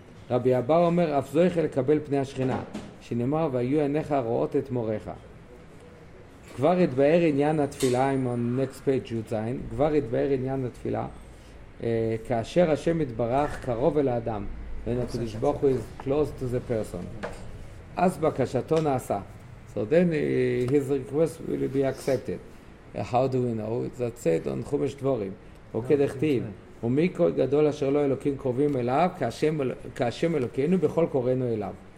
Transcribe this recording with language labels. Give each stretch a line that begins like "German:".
Hebrew: Rabbi Abba omer af zoichel kabel pnei ashkhina, שנאמר והיו עיניך רואות את מוריך. כבר התבאר עניין התפילה,
English: I'm on next page
Hebrew: י"ז, כבר התבאר עניין התפילה, כאשר השם יתברך קרוב אל האדם,
English: and the Kodesh Baruch Hu is close to the person,
Hebrew: אז בקשתו נעשה.
English: So then his request will be accepted. How do we know? That's said on
Hebrew: חומש דבורים, או כדכתיב, ומי כל גדול אשר לו אלוקים קרובים אליו, כאשם אלוקינו בכל קוראינו אליו.